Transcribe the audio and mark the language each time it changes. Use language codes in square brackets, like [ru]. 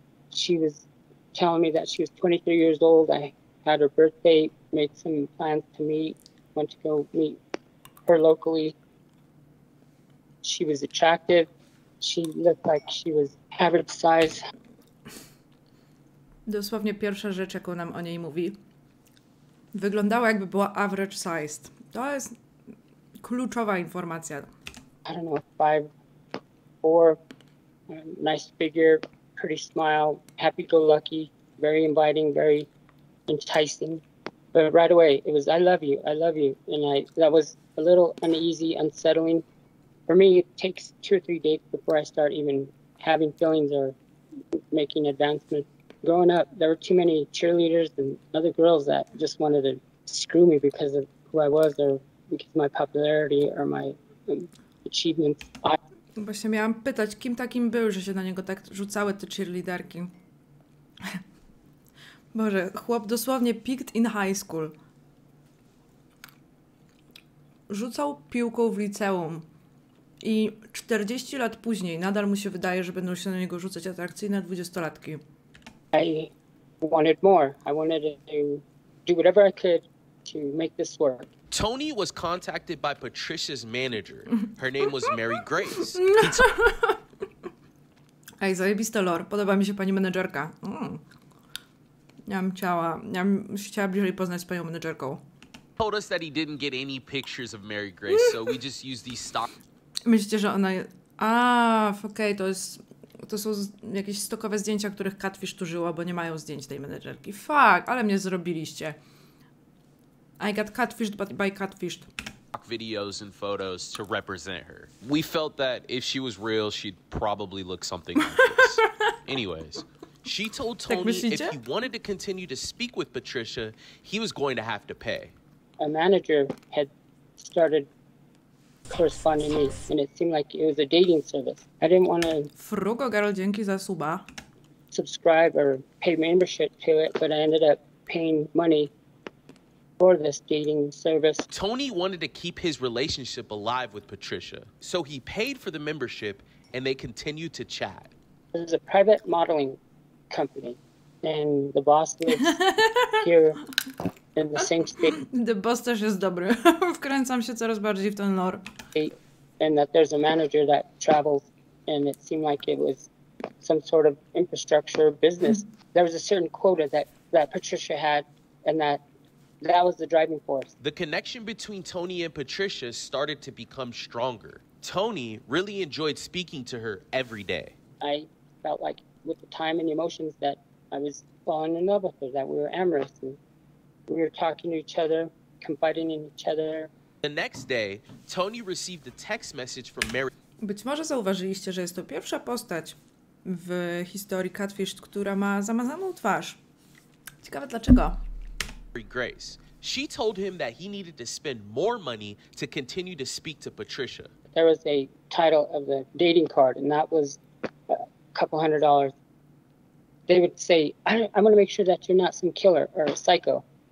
[en] She was telling me that she was 23 years old. I had her birthday, made some plans to meet, went to go meet her locally. She was attractive. She looked like she was average size. [pl] Dosłownie pierwsza rzecz, jaką nam o niej mówi. Wyglądała, jakby była [en] average sized. [pl] To jest kluczowa informacja. [en] I don't know, 5'4", nice figure, pretty smile, happy-go-lucky, very inviting, very enticing. But right away, it was, I love you, and I that was a little uneasy, unsettling. For me, it takes 2 or 3 dates before I start even having feelings or making advancements. Growing up, there were too many cheerleaders and other girls that just wanted to screw me because of who I was or because of my popularity or my achievements. [pl] Właśnie miałam pytać, kim takim był, że się na niego tak rzucały te cheerleaderki. Boże, chłop dosłownie [en] picked in high school. [pl] Rzucał piłką w liceum. I 40 lat później nadal mu się wydaje, że będą się na niego rzucać atrakcyjne 20-latki. [en] I wanted more. I wanted to do whatever I could to make this work. Tony was contacted by Patricia's manager. Her name was Mary Grace. [pl] Ej, zajebiste lore. Podoba mi się pani menedżerka. Ja bym chciała bliżej poznać z panią menedżerką. [en] Told us that he didn't get any pictures of Mary Grace, so we just used these stock. [pl] Myślicie, że ona... okej, to jest... To są jakieś stokowe zdjęcia, których Catfish tu żyło, bo nie mają zdjęć tej menedżerki. Fuck, ale mnie zrobiliście. [en] I got catfished by Catfished. ...videos and photos to represent her. We felt that if she was real, she'd probably look something like this. Anyways, she told Tony if he wanted to continue to speak with Patricia, he was going to have to pay. A manager had started... corresponding me, and it seemed like it was a dating service. I didn't want to [pl] Frugo, girl, dzięki za suba. [en] Subscribe or pay membership to it, but I ended up paying money for this dating service. Tony wanted to keep his relationship alive with Patricia, so he paid for the membership, and they continued to chat. It was a private modeling company, and the boss lives here in the same state. The boss [pl] też jest dobry. Wkręcam się coraz bardziej w ten lore. [en] And that there's a manager that travels, and it seemed like it was some sort of infrastructure business. There was a certain quota that Patricia had, and that That was the driving force. The connection between Tony and Patricia started to become stronger. Tony really enjoyed speaking to her every day. I felt like with the time and the emotions that I was falling in love with her, that we were amorous. And we were talking to each other, confiding in each other. The next day, Tony received a text message from Mary. [pl] Być może zauważyliście, że jest to pierwsza postać w historii Catfished, która ma zamazaną twarz. Ciekawe dlaczego. [en] Grace. She told him that he needed to spend more money to continue to speak to Patricia. There was a title of the dating card, and that was a couple hundred dollars. They would say, I want to make sure that you're not some killer or a psycho.